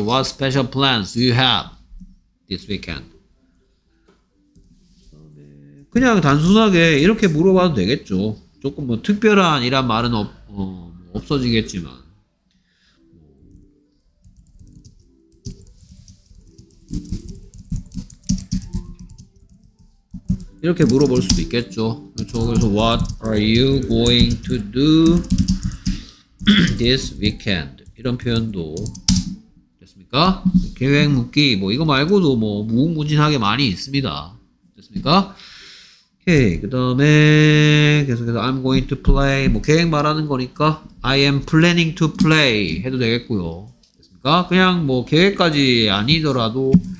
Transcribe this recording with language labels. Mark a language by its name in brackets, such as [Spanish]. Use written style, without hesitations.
[English] What special plans do you have this weekend? [Korean] 그냥 단순하게 이렇게 물어봐도 되겠죠. 조금 뭐 특별한 이란 말은 없어지겠지만 이렇게 물어볼 수도 있겠죠. 그렇죠. 그래서 [English] What are you going to do this weekend? [Korean] 이런 표현도 됐습니까? 계획 묻기 뭐 이거 말고도 뭐 무궁무진하게 많이 있습니다. 됐습니까? 오케이, 그 다음에 계속해서 [English] I'm going to play [Korean] 뭐 계획 말하는 거니까 [English] I am planning to play [Korean] 해도 되겠고요. 됐습니까? 그냥 뭐 계획까지 아니더라도